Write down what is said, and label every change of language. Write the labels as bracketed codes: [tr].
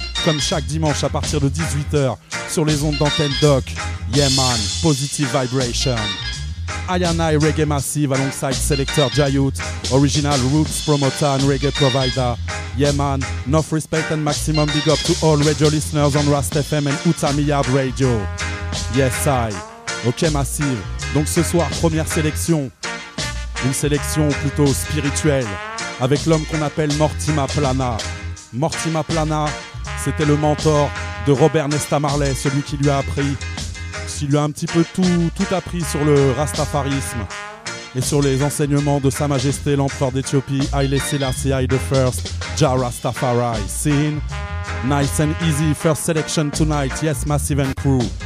[fr] Comme chaque dimanche à partir de 18h sur les ondes d'Antenne Doc. [en] Yeah man, positive vibration. I and I Reggae Massive alongside Selector Jayout, original Roots promoter and reggae provider. Yeah man, enough respect and maximum big up to all radio listeners on Rast FM and Utamiyab Radio. Yes I. Ok massive. [fr] Donc ce soir, première sélection. Une sélection plutôt spirituelle, avec l'homme qu'on appelle Mortimer Plana. Mortimer Plana, c'était le mentor de Robert Nesta Marley, celui qui lui a appris, qui lui a un petit peu tout appris sur le rastafarisme et sur les enseignements de Sa Majesté l'Empereur d'Éthiopie, Haile Selassie I the First, Jah Rastafari. [en] Scene, nice and easy, first selection tonight, yes, Massive and Crew.